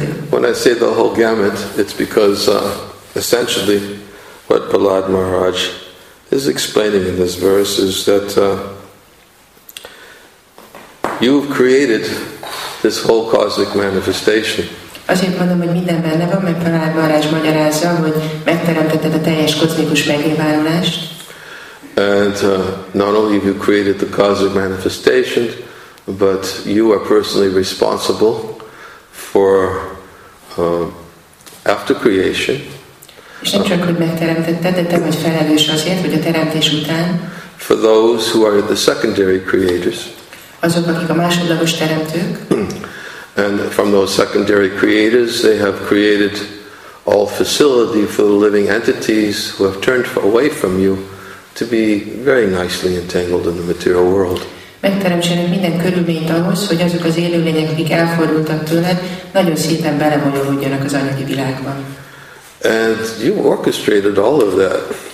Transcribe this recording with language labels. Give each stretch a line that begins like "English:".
English: When I say the whole gamut, it's because essentially what Prahlad Maharaj is explaining in this verse is that you've created this whole cosmic manifestation.
Hungarian: Azért mondom, hogy minden benne van, mert Prahlad Maharaj magyarázza, hogy megteremtetted a teljes kozmikus megnyilvánulást.
English: And not only have you created the cosmic manifestation, but you are personally responsible for after creation.
Hungarian: És nem csak, hogy megteremtetted, de te vagy felelős azért, hogy a teremtés után.
English: For those who are the secondary creators.
Hungarian: Azok, akik a másodlagos teremtők.
English: And from those secondary creators, they have created all facility for the living entities who have turned away from you to be very nicely entangled in the material world.
Hungarian: Megteremtsenek minden körülményt ahhoz, hogy azok az élőlények, akik elfordultak tőled, nagyon szépen belemolyolódjanak az anyagi világban.
English: And you orchestrated all of that.